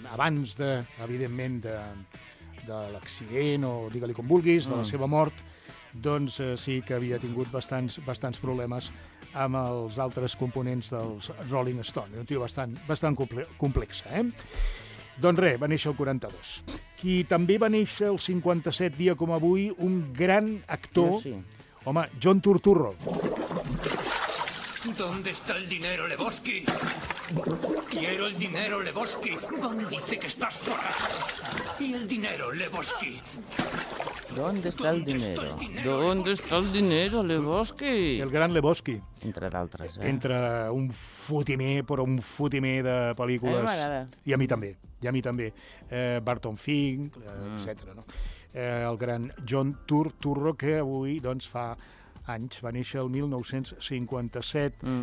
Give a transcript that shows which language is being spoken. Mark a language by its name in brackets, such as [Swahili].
[Catalan] Abans, de, evidentment, de l'accident, o digue-li com vulguis, de la seva mort, doncs sí que havia tingut bastants problemes amb els altres components dels Rolling Stones. Un tio bastant complex, eh? Doncs res, va néixer el 42. Qui també va néixer el 57, dia com avui, un gran actor, home, John Turturro. [Spanish] ¿Dónde está el dinero, Lebowski? Quiero el dinero, Lebowski. ¿Dónde dice que estás fuera? ¿Y el dinero, Lebowski? ¿Dónde está el dinero? ¿Dónde está el dinero, Lebowski? [Catalan] El gran Lebowski. Entre d'altres, eh? Entre un fotimer, però un fotimer de pel·lícules. I a mi també. I a mi també. Barton Fink, etc. No? El gran John Turturro, que avui doncs fa... anys, va néixer el 1957.